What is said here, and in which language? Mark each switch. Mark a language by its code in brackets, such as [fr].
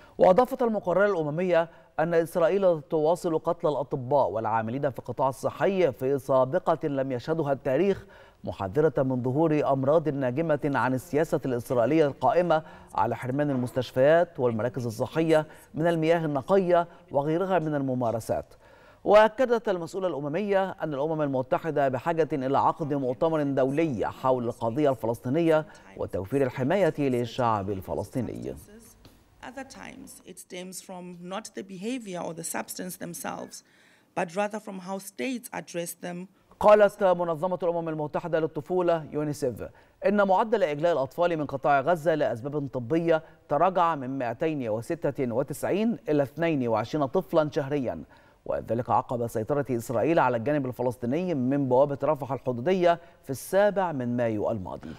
[ar] وأضافت المقررة الأممية أن إسرائيل تواصل قتل الأطباء والعاملين في القطاع الصحي في سابقة لم يشهدها التاريخ، محذرة من ظهور أمراض ناجمة عن السياسة الإسرائيلية القائمة على حرمان المستشفيات والمراكز الصحية من المياه النقية وغيرها من الممارسات. وأكدت المسؤولة الأممية أن الأمم المتحدة بحاجة إلى عقد مؤتمر دولي حول القضية الفلسطينية وتوفير الحماية للشعب الفلسطيني. [en] Other times it stems from not the behavior or the substance themselves, but rather from how states address them. [ar] قالت منظمة الأمم المتحدة للطفولة يونيسيف إن معدل إجلاء الأطفال من قطاع غزة لأسباب طبية تراجع من 296 إلى 22 طفلا شهريا، وذلك عقب سيطرة إسرائيل على الجانب الفلسطيني من بوابة رفح الحدودية في 7 مايو الماضي.